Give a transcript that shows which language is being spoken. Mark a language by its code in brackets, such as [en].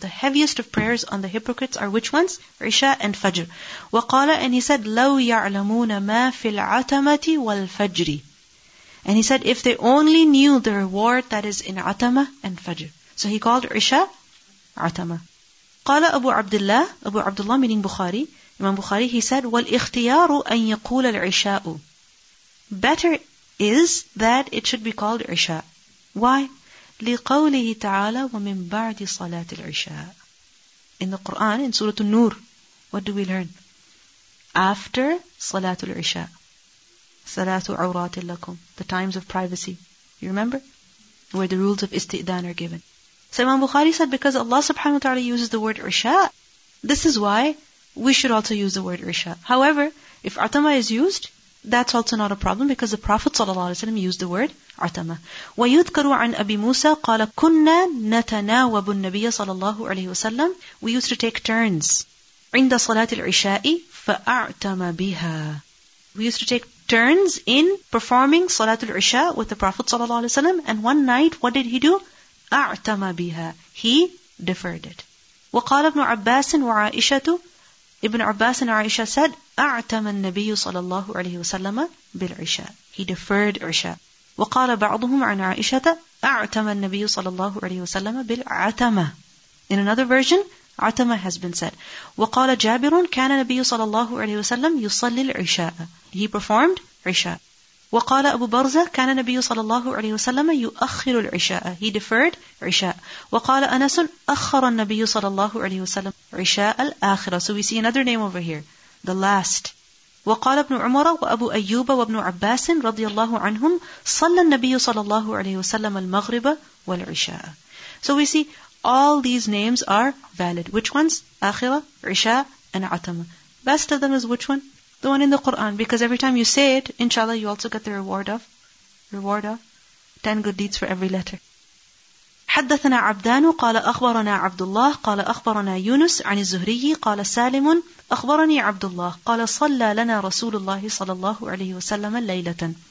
[en] The heaviest of prayers on the hypocrites are which ones? [ar] Isha and Fajr. وَقَالَ, [en] and he said, [ar] لَوْ يَعْلَمُونَ مَا فِي الْعَتَمَةِ وَالْفَجْرِ. [en] And he said, if they only knew the reward that is in Atama and Fajr. So he called Isha, Atama. [ar] قال أبو عبد الله, أبو عبد الله [en] meaning Bukhari, Imam Bukhari, he said, [ar] والاختيار أن يقول العشاء. [en] Better is that it should be called عشاء. Why? [ar] لقوله تعالى ومن بعد صلاة العشاء. [en] In the Quran, in Surah An-Nur, what do we learn? [ar] After صلاة العشاء. ثلاث عورات لكم. [en] The times of privacy. You remember? Where the rules of istidan are given. So Imam Bukhari said, because Allah subhanahu wa ta'ala uses the word عشاء, this is why we should also use the word عشاء. However, if عتمة is used, that's also not a problem, because the Prophet sallallahu alaihi wasallam used the word عتمة. [ar] ويذكر عن أبي موسى قال كنا نتناوب النبي صلى الله عليه وسلم. [en] We used to take turns [ar] عند صلاة العشاء فأعتم بها. [en] We used to take turns in performing Salatul Isha with the Prophet sallallahu alaihi wasallam, and one night, what did he do? [ar] أعتم بها. [en] He deferred it. [ar] وقال ابن عباس وعائشة. Ibn Abbas and Aisha said, أعتم النبي صلى الله عليه وسلم بالعشاء. [en] He deferred عشاء. [ar] وقال بعضهم عن عائشة, أعتم النبي صلى الله عليه وسلم بالعتمة. [en] In another version, عتمة has been said. [ar] وقال جابر, كان النبي صلى الله عليه وسلم يصلي العشاء. [en] He performed عشاء. [ar] وقال أبو برزة, كان النبي صلى الله عليه وسلم يؤخر العشاء. [en] He deferred عشاء. [ar] وقال أنس, أخر النبي صلى الله عليه وسلم عشاء الآخرة. [en] So we see another name over here, the last. [ar] وقال ابن عمر وأبو أيوب وابن عباس رضي الله عنهم, صلى النبي صلى الله عليه وسلم المغرب والعشاء. [en] So we see all these names are valid. Which ones? آخرة, عشاء, and عتمة. Best of them is which one? The one in the Quran, because every time you say it, inshallah, you also get the reward of 10 good deeds for every letter. [ar] حدثنا عبدان قال أخبرنا عبد الله قال أخبرنا يونس عن الزهري قال سالم أخبرني عبد الله قال صلى لنا رسول الله صلى الله عليه وسلم ليلة.